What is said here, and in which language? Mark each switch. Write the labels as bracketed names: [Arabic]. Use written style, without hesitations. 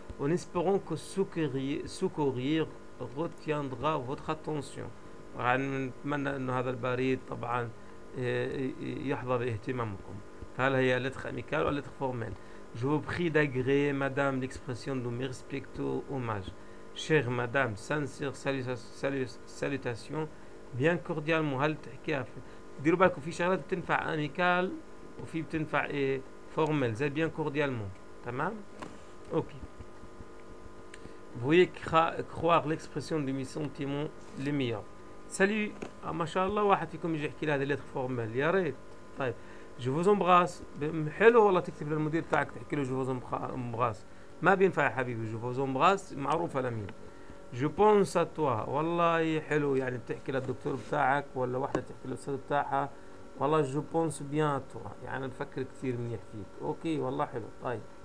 [French] En espérant que ce courrier retiendra votre attention. [Arabic] نتمنى انه هذا البريد طبعا يحظى باهتمامكم. فهل هي لتخ اميكال ولا لتخ فورمال؟ [French] Je vous prie d'agréer, madame, l'expression de mes respectueux hommages. Chère madame, sincère salutation, bien cordialement, [Arabic] هل تحكيها في ديروا بالكم في شغلات بتنفع اميكال وفي بتنفع فورمال زي بيان كورديالمون تمام؟ اوكي. [French] Vous voyez croire l'expression de mes sentiments les meilleurs. [Arabic] Salut, ما شاء الله واحد فيكم يجي يحكي لي هذه الليتر فورمال يا ريت. طيب جو فوز امبراس حلو والله تكتب للمدير تاعك تحكي له جو فوز امبراس ما بينفع يا حبيبي جو فوز امبراس معروفه لمين جو بونس اتوا والله حلو يعني بتحكي للدكتور بتاعك ولا واحدة تحكي للاستاذ بتاعها والله جو بونس بيان اتوا يعني بفكر كثير منيح فيك اوكي والله حلو طيب